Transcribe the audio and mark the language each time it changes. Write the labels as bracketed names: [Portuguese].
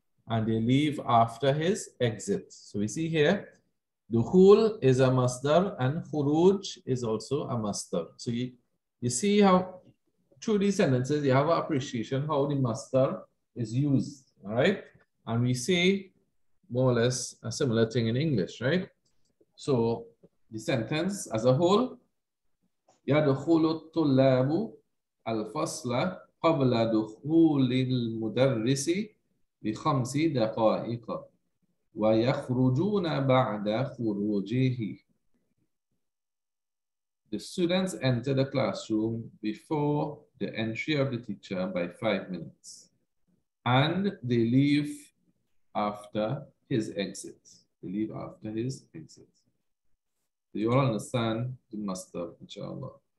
[English] and they leave after his exit. So we see here, Dukhul is a masdar and Khuruj is also a masdar. So you see how through these sentences, you have an appreciation how the masdar is used, all right? And we see more or less a similar thing in English, right? So the sentence as a whole, [Arabic] يَدْخُلُ الطُّلَّابُ الْفَصْلَ قَبْلَ دُخُولِ الْمُدَرِّسِ بِخَمْسِ دَقَائِقَ وَيَخْرُجُونَ بَعْدَ خُرُوجِهِ. [English] The students enter the classroom before the entry of the teacher by 5 minutes, and they leave after his exit. They leave after his exit. Do you all understand the master, inshallah?